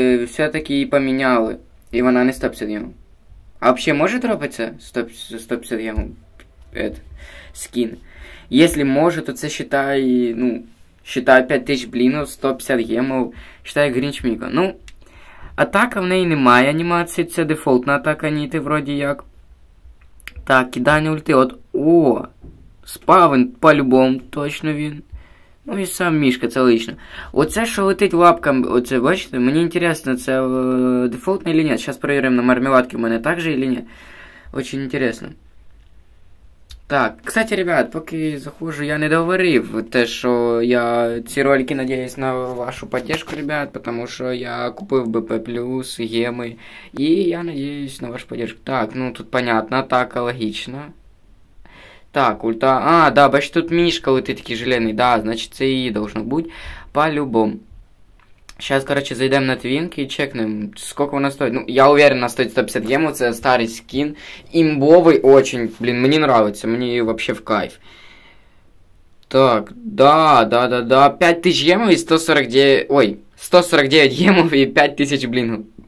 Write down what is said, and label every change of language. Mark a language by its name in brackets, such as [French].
[Russian] Все-таки поменяли. И она не 150 гемов. А вообще может дропаться 150 гемов? Это скин. Если может, то это считай, ну, считай 5000 блинов, 150 гемов, считай Гринч Мика. [Ukrainian] Ну, атака в ней немає анімації, це дефолтна атака Ніти вроді як. Так, кидання ульти, от, о, спавен по-любому, точно він. Ну і сам Мішка, це лично. Оце, що летить лапками, оце, бачите, мені інтересно, це дефолтне или ні. Зараз перевіримо, на мармеладки в мене так же или ні. Очень інтересно. Так, кстати, ребят, поки заходжу, я не договорив те, що я ці ролики надіюсь на вашу підтримку, ребят, тому що я купив БП+, геми, і я надіюсь на вашу підтримку. Так, ну тут понятно, так, логічно. Так, ульта. А, да, бачиш, тут мішка, коли ти такий зелений, да, значить це її должно бути по-любому. [Russian] Сейчас, короче, зайдем на твинк и чекнем, сколько она стоит. Ну, я уверен, она стоит 150 гемов, это старый скин. Имбовый очень, блин, мне нравится, мне вообще в кайф. Так, да, 5000 гемов и 149, ой, 149 гемов и 5000, блин.